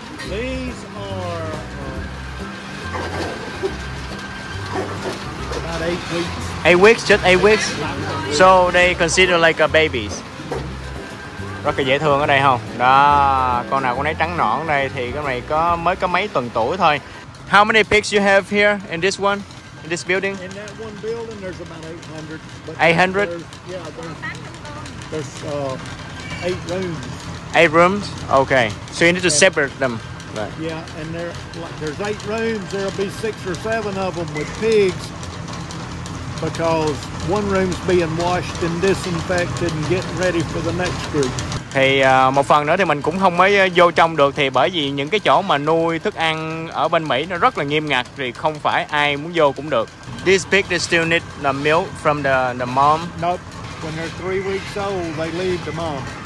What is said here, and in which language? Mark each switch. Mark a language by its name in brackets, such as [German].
[English] These are about 8 weeks. 8 weeks, just 8 weeks. So they consider like a babies. [Vietnamese] Rất là dễ thương ở đây không? Đó, con nào con nấy trắng nõn đây thì cái này có mới có mấy tuần tuổi thôi. [English] How many pigs you have here in this one? In this building? In that one building there's about 800. 800? There's 8 rooms. 8 rooms? Okay. So you need to separate them. Right. Yeah, and there's 8 rooms, there'll be 6 or 7 of them with pigs. Because one room's being washed and disinfected and getting ready for the next group. [Vietnamese] Thì một phần nữa thì mình cũng không mới vô trong được thì bởi vì những cái chỗ mà nuôi thức ăn ở bên Mỹ nó rất là nghiêm ngặt thì không phải ai muốn vô cũng được. [English] This pig they still need the milk from the mom. Nope. When they're 3 weeks old, they leave the mom.